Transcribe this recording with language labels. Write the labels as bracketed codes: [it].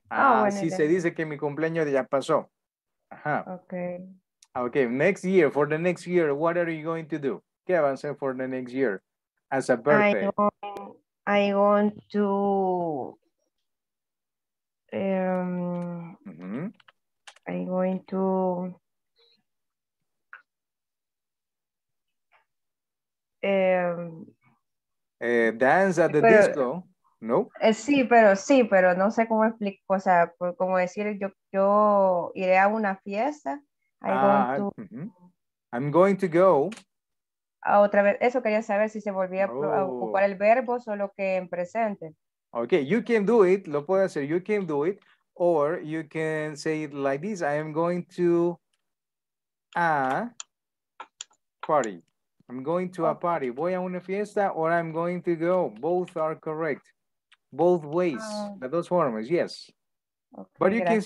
[es] Ah, bueno, sí, se dice que mi cumpleaños ya pasó. Ajá. Ok. [en] Ok, next year, for the next year, what are you going to do? [es] ¿Qué vas a hacer [en] for the next year? As a birthday. I want to... I'm going to... dance at the pero, disco, ¿no? [es] Sí, pero no sé cómo explico, o sea, como decir, yo iré a una fiesta. [en] I'm going to go. [es] A otra vez, eso quería saber si se volvía a ocupar el verbo, solo que en presente. [en] Okay, you can do it, [es] lo puedo hacer, [en] you can do it, or you can say it like this, I am going to a party. I'm going to a party. [es] Voy a una fiesta [en] or I'm going to go. Both are correct. Both ways. Those formas, yes. Okay, but you gracias.